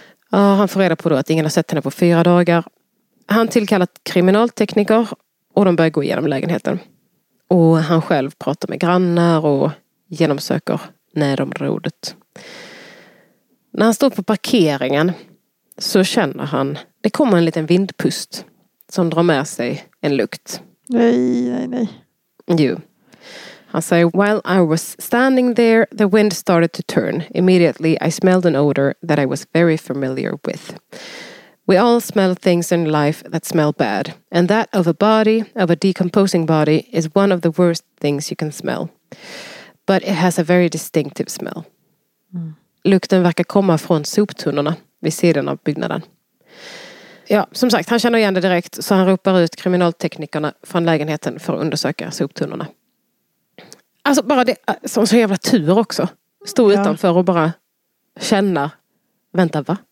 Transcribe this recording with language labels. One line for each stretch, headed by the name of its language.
Swedish: Han får reda på då att ingen har sett henne på 4 dagar. Han tillkallat kriminaltekniker och de börjar gå igenom lägenheten. Och han själv pratar med grannar och genomsöker närområdet. När han står på parkeringen så känner han det kommer en liten vindpust som drar med sig en lukt. Nej, nej, nej. Jo.
English: Han säger, while I was standing there, the wind started to turn. Immediately I smelled an odor that I was very familiar with. We all smell things in life that smell bad. And that of a body, of a decomposing body, is one of the worst things you can smell. But it has a very distinctive smell. Mm.
Swedish: Lukten verkar komma från soptunnorna vid sidan av byggnaden. Ja, som sagt, han känner igen det direkt. Så han ropar ut kriminalteknikerna från lägenheten för att undersöka soptunnorna. Alltså bara det som så jävla tur också. Stod utanför och bara känna, vänta va?